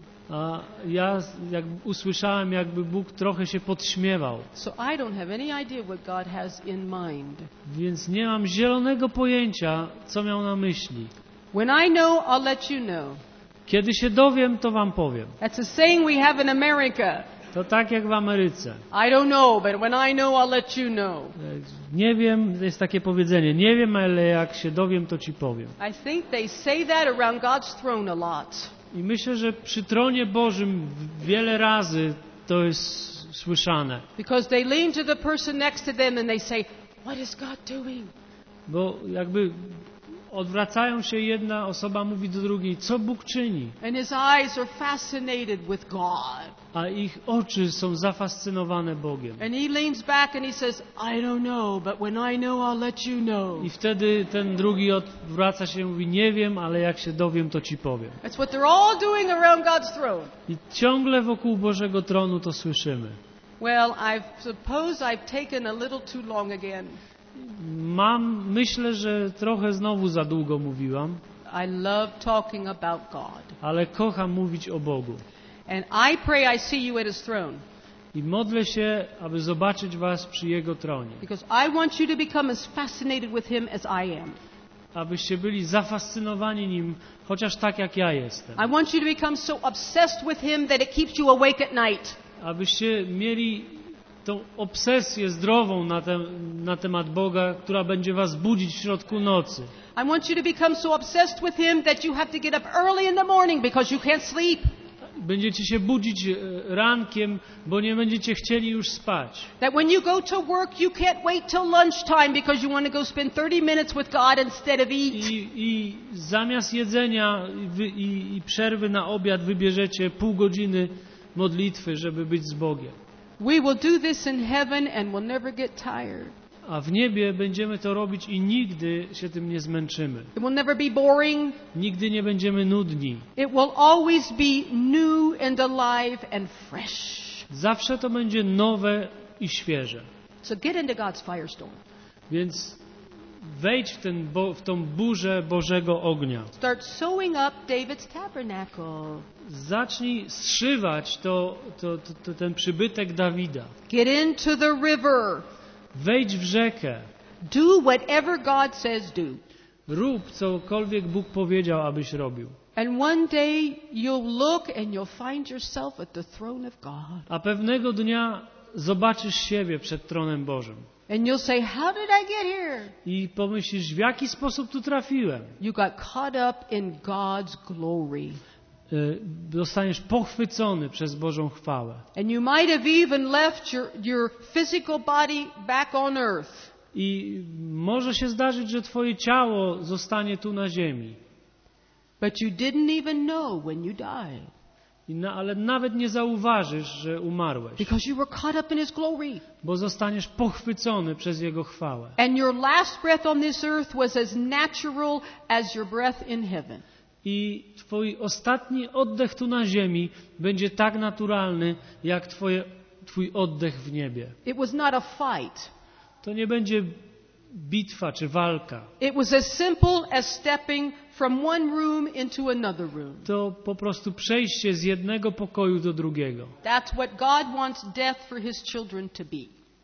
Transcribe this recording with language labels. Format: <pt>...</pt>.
<pl>A ja jak usłyszałem, jakby Bóg trochę się podśmiewał.</pl> <en>So I don't have any idea what God has in mind.</en> <pl>Więc nie mam zielonego pojęcia, co miał na myśli.</pl> <en>When I know, I'll let you know.</en> <pl>Kiedy się dowiem, to wam powiem.</pl> <en>That's a saying we have in America.</en> <pl>To tak jak w Ameryce.</pl> <en>I don't know, but when I know, I'll let you know.</en> <pl>Nie wiem, jest takie powiedzenie. Nie wiem, ale jak się dowiem, to ci powiem.</pl> <en>I think they say that around God's throne a lot.</en> <pl>I myślę, że przy tronie Bożym wiele razy to jest słyszane.</pl> <en>Because they lean to the person next to them and they say, "What is God doing?"</en> <pl>Bo jakby odwracają się, jedna osoba mówi do drugiej, co Bóg czyni?</pl> <en>And his eyes are fascinated with God.</en> <pl>A ich oczy są zafascynowane Bogiem.</pl> <en>And he leans back and he says, "I don't know, but when I know, I'll let you know."</en> <pl>I wtedy ten drugi odwraca się i mówi, nie wiem, ale jak się dowiem, to ci powiem.</pl> <en>That's what they're all doing around God's throne.</en> <pl>I ciągle wokół Bożego tronu to słyszymy.</pl> <en>Well, I suppose I've taken a little too long again.</en> <pl>Myślę, że trochę znowu za długo mówiłam.</pl> <en>I love talking about God.</en> <pl>Ale kocham mówić o Bogu.</pl> <en>And I pray I see you at his throne.</en> <pl>I modlę się, aby zobaczyć was przy jego tronie.</pl> <en>Because I want you to become as fascinated with him as I am.</en> <pl>Abyście byli zafascynowani nim, chociaż tak jak ja jestem.</pl> <en>I want you to become so obsessed with him that it keeps you awake at night.</en> <pl>Abyście mieli tą obsesję zdrową na temat Boga, która będzie was budzić w środku nocy.</pl> <en>I want you to become so obsessed with him that you have to get up early in the morning because you can't sleep.</en> <pl>Będziecie się budzić rankiem, bo nie będziecie chcieli już spać.</pl> <en>That when you go to work, you can't wait till lunchtime because you want to go spend 30 minutes with God instead of eat.</en> <pl>I zamiast jedzenia i przerwy na obiad wybierzecie pół godziny modlitwy, żeby być z Bogiem.</pl> <en>We will do this in heaven and we'll never get tired.</en> <pl>A w niebie będziemy to robić i nigdy się tym nie zmęczymy.</pl> <en>It will never be boring.</en> <pl>Nigdy nie będziemy nudni.</pl> <en>It will always be new and alive and fresh.</en> <pl>Zawsze to będzie nowe i świeże.</pl> <en>So get into God's firestorm.</en> <pl>Więc wejdź w tą burzę Bożego ognia.</pl> <en>Start sewing up David's tabernacle.</en> <pl>Zacznij zszywać ten przybytek Dawida.</pl> <en>Get into the river.</en> <pl>Wejdź w rzekę.</pl> <en>Do whatever God says do.</en> <pl>Rób cokolwiek Bóg powiedział, abyś robił.</pl> <en>And one day you'll look and you'll find yourself at the throne of God.</en> <pl>A pewnego dnia zobaczysz siebie przed tronem Bożym.</pl> <en>And you'll say, how did I get here?</en> <pl>I pomyślisz, w jaki sposób tu trafiłem.</pl> <en>You got caught up in God's glory.</en> <pl>Zostaniesz pochwycony przez Bożą chwałę.</pl> <en>And you might have even left your physical body back on earth.</en> <pl>I może się zdarzyć, że twoje ciało zostanie tu na ziemi.</pl> <en>But you didn't even know when you died.</en> <pl>Ale nawet nie zauważysz, że umarłeś.</pl> <en>Because you were caught up in his glory.</en> <pl>Bo zostaniesz pochwycony przez jego chwałę.</pl> <en>And your last breath on this earth was as natural as your breath in heaven.</en> <pl>I twój ostatni oddech tu na ziemi będzie tak naturalny, jak twój oddech w niebie.</pl> <en>It was not a fight.</en> <pl>To nie będzie bitwa czy walka.</pl> <en>It was as simple as stepping from one room into another room.</en> <pl>To po prostu przejście z jednego pokoju do drugiego.</pl> <en>That's what God wants death for his children to be.</en>